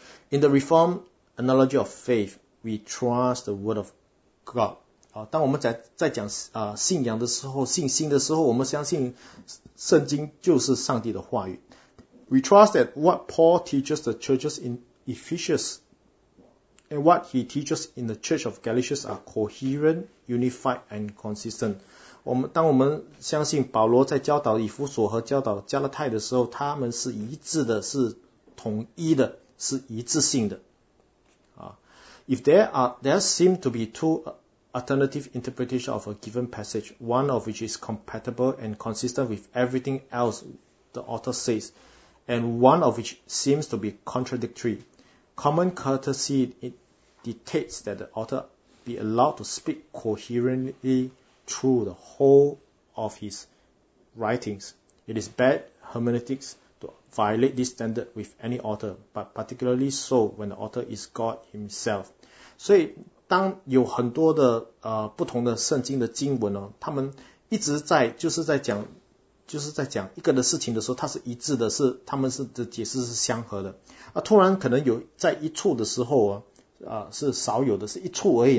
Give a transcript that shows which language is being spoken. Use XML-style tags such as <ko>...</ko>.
<en>In the Reformed analogy of faith we trust the word of God</en> <zh>当我们 在讲信仰的时候信心的时候我们相信圣经就是上帝的话语</zh> <en>We trust that what Paul teaches the churches in Ephesus and what he teaches in the church of Galatia are coherent, unified, and consistent.</en> <zh>当我们相信保罗在教导以弗所和教导加拉太的时候，他们是一致的，是统一的，是一致性的。</zh> <en>If there seem to be two alternative interpretations of a given passage, one of which is compatible and consistent with everything else the author says,and one of which seems to be contradictory. Common courtesy dictates that the author be allowed to speak coherently through the whole of his writings. It is bad hermeneutics to violate this standard with any author, but particularly so when the author is God himself.</en> <zh>所以当有很多的不同的圣经的经文他们一直在就是在讲一个的事情的时候，它是一致的，是他们是的解释是相合的。突然可能有在一处的时候是少有的，是一处而已。</zh>